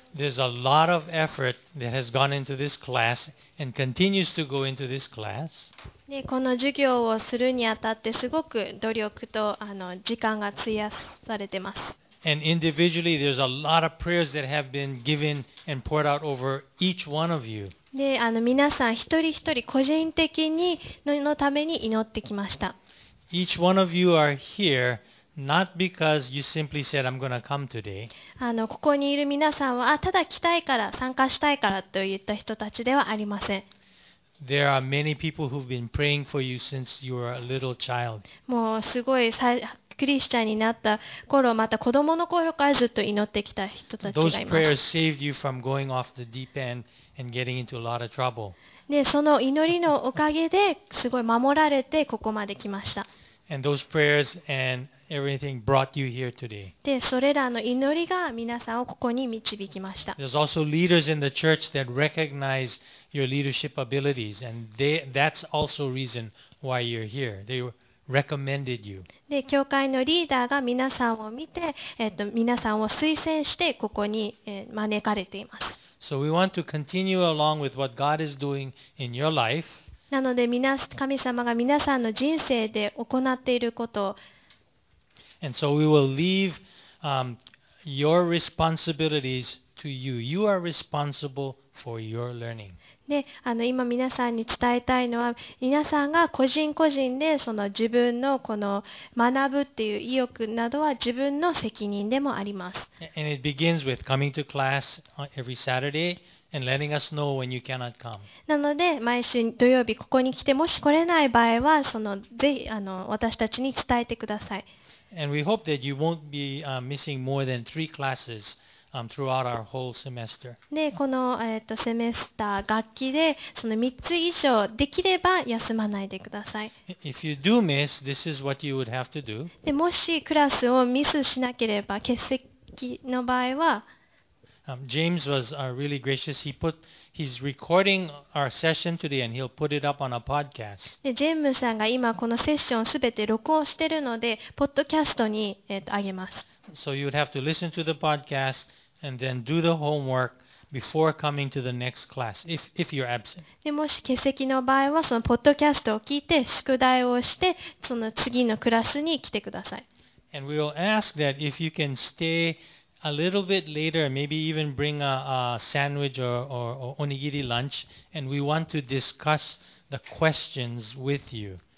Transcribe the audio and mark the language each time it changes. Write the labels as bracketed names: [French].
[English] there's a lot of effort that has gone into this class and continues to go into this class. [Japanese] で、この授業をするにあたってすごく努力と時間が費やされてます。 [English] And individually, there's a lot of prayers that have been given and poured out over each one of you. [Japanese] で、皆さん一人一人個人的にのために祈ってきました。 [English] Each one of you are here. Not because you simply said, I'm going to come today. [Japanese] ここにいる皆さんは、ただ来たいから、参加したいからといった人たちではありません。 [English] There are many people who've been praying for you since you were a little child. [Japanese] もうすごいクリスチャンになった頃、また子供の頃からずっと祈ってきた人たちがいます。 [English] Those prayers saved you from going off the deep end and getting into a lot of trouble. [Japanese] で、その祈りのおかげですごい守られてここまで来ました。 [English] And those prayers and everything brought you here today. [Japanese] で、それらの祈りが皆さんをここに導きました。 [English] There's also leaders in the church that recognize your leadership abilities, and that's also reason why you're here. They recommended you. [Japanese] で、教会のリーダーが皆さんを見て、皆さんを推薦してここに招かれています。 [English] So we want to continue along with what God is doing in your life. [Japanese] なので神様が皆さんの人生で行っていることを、 [English] And so we will leave, your responsibilities to you. You are responsible for your learning. [Japanese] で、今皆さんに伝えたいのは、皆さんが個人個人でその自分のこの学ぶっていう意欲などは自分の責任でもあります。 [English] And it begins with coming to class every Saturday. And letting us know when you cannot come. [Japanese] なので毎週土曜日ここに来てもし来れない場合はそのぜひ私たちに伝えてください。 [English] And we hope that you won't be missing more than three classes throughout our whole semester. [Japanese] でこのセメスター学期でその3つ以上できれば休まないでください。 [English] If you do miss, this is what you would have to do. [Japanese] でもしクラスをミスしなければ欠席の場合は。 [English] James was really gracious. He's recording our session today and he'll put it up on a podcast. [Japanese] で、ジェームさんが今このセッションすべて録音しているので、ポッドキャストに、あげます。 [English] So you would have to listen to the podcast and then do the homework before coming to the next class if you're absent. [Japanese] で、もし欠席の場合は、そのポッドキャストを聞いて、宿題をして、その次のクラスに来てください。 [English] And we will ask that if you can stay. A little bit later, maybe even bring a sandwich or onigiri lunch, and we want to discuss the questions with you.